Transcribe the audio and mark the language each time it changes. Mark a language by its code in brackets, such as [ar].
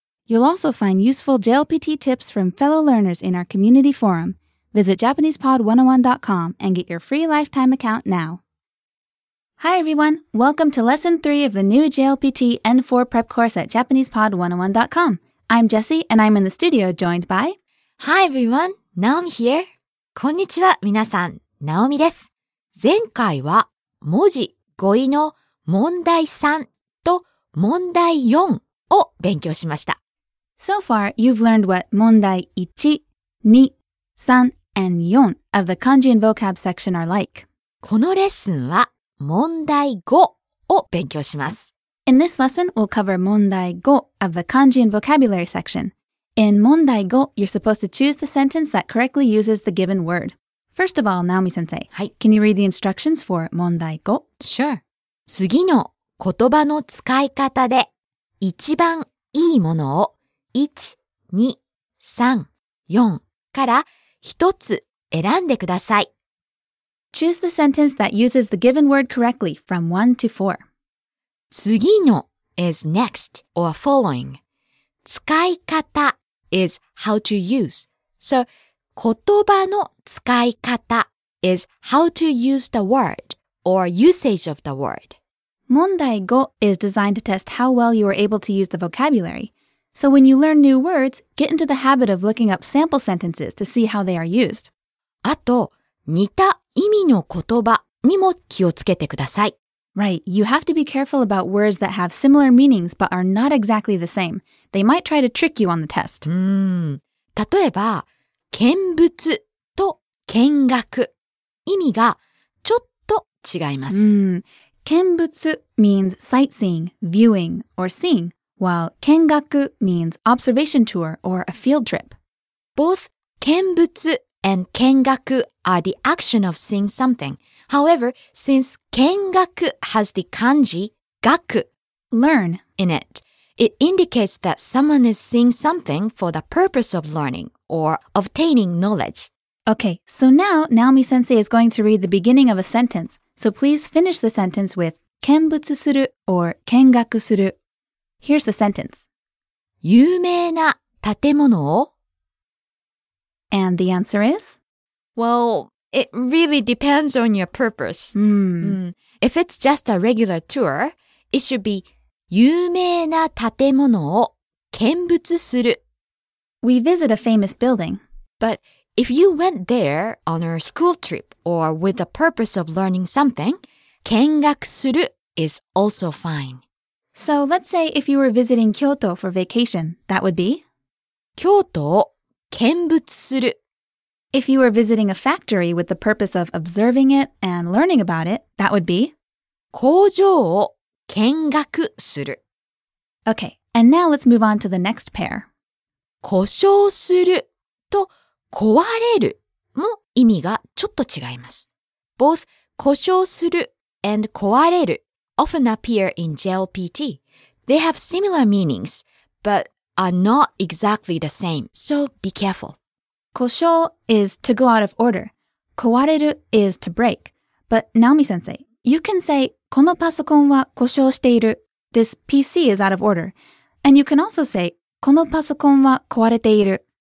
[en] You'll also find useful JLPT tips from fellow learners in our community forum. Visit JapanesePod101.com and get your free lifetime account now. Hi everyone, welcome to Lesson 3 of the new JLPT N4 Prep Course at JapanesePod101.com. I'm Jessie, and I'm in the studio joined by... Hi everyone, Naomi here. [ja] こんにちは、皆さん、ナオミです。前回は文字、語彙の問題3と問題4を勉強しました。 [en] So far, you've learned what 問題1、2、3 and 4 of the kanji and vocab section are like. [ja] このレッスンは問題5を勉強します。 [en] In this lesson, we'll cover 問題5 of the kanji and vocabulary section. In 問題5, you're supposed to choose the sentence that correctly uses the given word. First of all, Naomi-sensei, [ja] はい、 [en] can you read the instructions for 問題5? Sure. [ja] 次の言葉の使い方で一番いいものを1,2,3,4から一つ選んでください。 [en] Choose the sentence that uses the given word correctly from 1 to 4. 次の is next or following. 使い方 is how to use. So, 言葉の使い方 is how to use the word or usage of the word. 問題5 is designed to test how well you are able to use the vocabulary. So when you learn new words, get into the habit of looking up sample sentences to see how they are used. [ja] あと、似た意味の言葉にも気をつけてください。 [en] Right, you have to be careful about words that have similar meanings but are not exactly the same. They might try to trick you on the test. [ja] 例えば、見物と見学、意味がちょっと違います。 [en] 見物 means sightseeing, viewing, or seeing, while 見学 means observation tour or a field trip. Both 見物 and 見学 are the action of seeing something. However, since 見学 has the kanji 学 learn in it, it indicates that someone is seeing something for the purpose of learning or obtaining knowledge. Okay, so now Naomi-sensei is going to read the beginning of a sentence. So please finish the sentence with 見物する or 見学する. Here's the sentence. [ja] 有名な建物を? [en] And the answer is? Well... It really depends on your purpose. If it's just a regular tour, it should be [ja] 有名な建物を見物する。 [en] We visit a famous building. But if you went there on a school trip or with the purpose of learning something, 見学する is also fine. So let's say if you were visiting Kyoto for vacation, that would be [ja] 京都を見物する。 [en] If you were visiting a factory with the purpose of observing it and learning about it, that would be [ja] 工場を見学する。 [en] Okay, and now let's move on to the next pair. [ja] 故障するとこわれるも意味がちょっと違います。 [en] Both 故障する and こわれる often appear in JLPT. They have similar meanings, but are not exactly the same, so be careful. Kosho is to go out of order. Kowareru is to break. But Naomi-sensei, you can say, [ja] このパソコンは故障している. [en] This PC is out of order. And you can also say, [ja] このパソコンは壊れている.